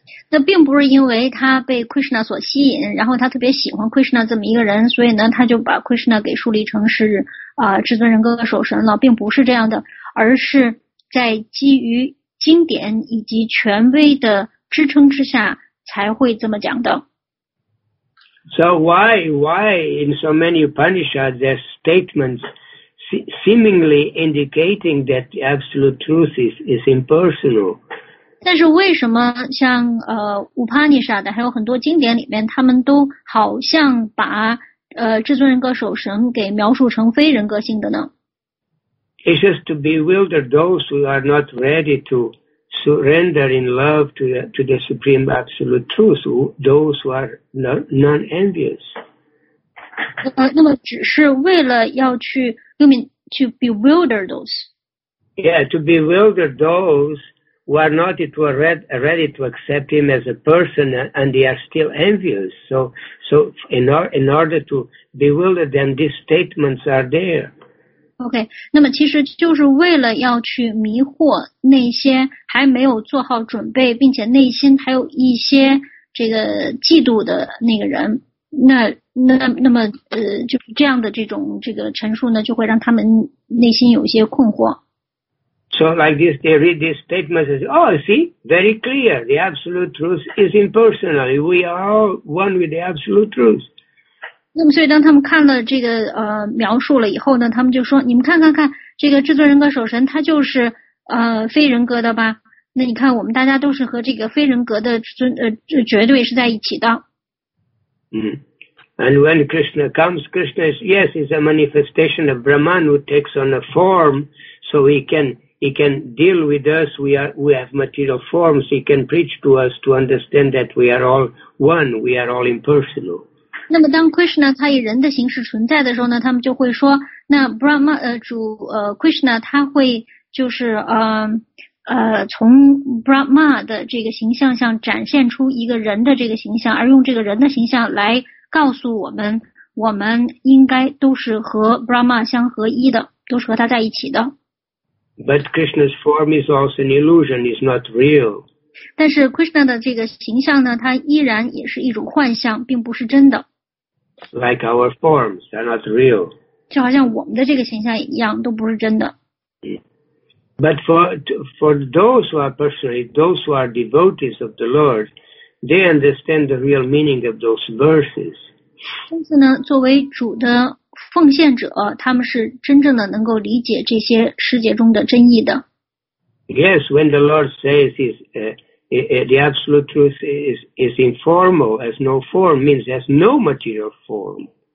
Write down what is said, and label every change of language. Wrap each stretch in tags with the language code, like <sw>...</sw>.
<zh>那并不是因为他被 Krishna 所吸引，然后他特别喜欢 Krishna 这么一个人，所以呢他就把 Krishna 给树立成是至尊人格的守神了，并不是这样的，而是在基于经典以及权威的支撑之下才会这么讲的。</zh> <en>So why in so many Upanishads there's statements seemingly indicating that the absolute truth is impersonal?</en> <zh>但是为什么像乌帕尼沙的还有很多经典里面，他们都好像把至尊人格守神给描述成非人格性的呢？</zh> <en>It's just to bewilder those who are not ready to surrender in love to the supreme absolute truth, those who are non-envious.</en> <zh>那么只是为了要去</zh> <en>you mean to bewilder those? Yeah, to bewilder those who are not ready to accept him as a person and they are still envious. So in order to bewilder them, these statements are there.</en> <zh>Okay, 那么其实就是为了要去迷惑那些还没有做好准备并且内心还有一些这个嫉妒的那个人。那么就是这样的这种这个陈述呢，就会让他们内心有一些困惑。</zh> <en>So like this, they read this statement and say, oh, see, very clear, the absolute truth is impersonal. We are all one with the absolute truth.</en> <zh>那么所以当他们看了这个描述了以后呢，他们就说，你们看这个至尊人格守神他就是非人格的吧，那你看我们大家都是和这个非人格的绝对是在一起的。</zh> <en>And when Krishna comes, Krishna is, yes, is a manifestation of Brahman who takes on a form so he can deal with us, we have material forms, he can preach to us to understand that we are all one, we are all impersonal.</en> <zh>那么当 Krishna 他以人的形式存在的时候呢，他们就会说，那 Brahma Krishna 他会就是从 Brahma 的这个形象上展现出一个人的这个形象，而用这个人的形象来告诉我们，我们应该都是和 Brahma 相合一的，都是和他在一起的。</zh> <en>But Krishna's form is also an illusion, it's not real.</en> <zh>但是 Krishna 的这个形象呢，它依然也是一种幻象，并不是真的。</zh> <en>Like our forms are not real.</en> <zh>就好像我们的这个形象一样，都不是真的。</zh> <en>But for those who are personally, those who are devotees of the Lord, they understand the real meaning of those verses.</en> <zh>但是呢，作为主的奉献者，他们是真正的能够理解这些诗节中的真意的。</zh> <en>Yes, when the Lord says the absolute truth is informal, as no form, means as no material form.</en>